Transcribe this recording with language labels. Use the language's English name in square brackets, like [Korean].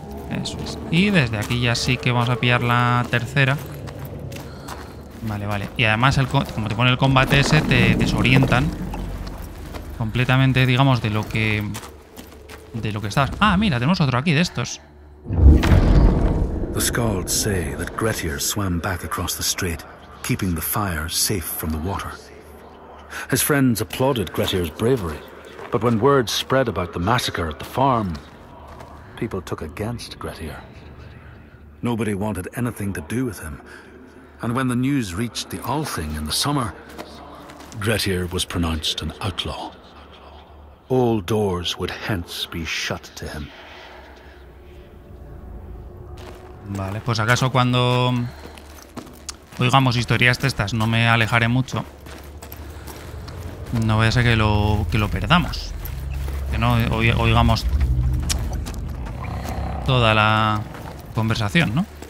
[Spanish] Eso es. Y desde aquí ya sí que vamos a pillar la tercera. Vale, vale. Y además, como te pone el combate ese, te desorientan completamente, digamos, de lo que estás. Ah, mira, tenemos otro aquí de estos. [English] The scalds say that Grettir swam back across the strait, keeping the fire safe from the water. His friends applauded Grettir's bravery, but when word spread about the massacre at the farm, people took against Grettir. Nobody wanted anything to do with him, and when the news reached the Althing in the summer, Grettir was pronounced an outlaw. All doors would hence be shut to him. [Spanish] Vale, pues acaso cuando oigamos historias de estas no me alejaré mucho. No vaya a ser que lo perdamos. Que no oigamos toda la conversación, ¿no?